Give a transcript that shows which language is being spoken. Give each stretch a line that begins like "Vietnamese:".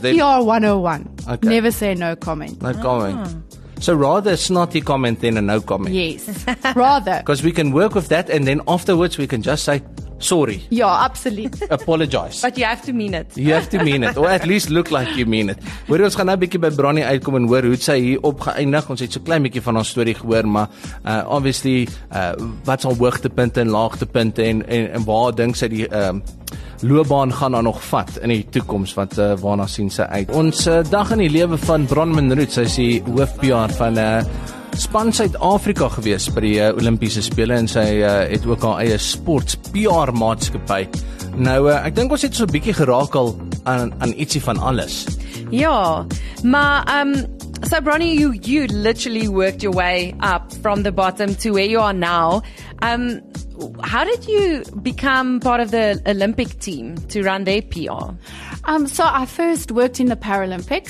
English: that's then... PR 101. Okay. Never say no comment. No comment. So rather a snotty comment than a no comment. Yes. Rather. Because we can work with that and then afterwards we can just say, sorry. Yeah, absolutely. Apologize. But you have to mean it. You have to mean it. Or at least look like you mean it.
Afrikaans: Hoor, ons gaan nou 'n bietjie by Bronnie uitkom en hoor hoe sy hier opgeëindig. Ons het so klein bietjie van ons storie gehoor, maar obviously, wat is al hoogtepunte en laagtepunte en waar dink sy die loopbaan gaan nog vat in die toekoms, wat waarna sien sy uit? Ons dag in die lewe van Bronnie Minroet, sy is die hoof-PR van... Span Suid-Afrika gewees by die Olimpiese Spele en sy het ook haar eie sports PR maatskappy. Nou, ek dink ons het so 'n bietjie geraak al aan ietsie van alles. Ja, maar so
English: Bronnie, you literally worked your way up from the bottom to where you are now. How did you become part of the Olympic team to run their PR? So I first worked in the Paralympics.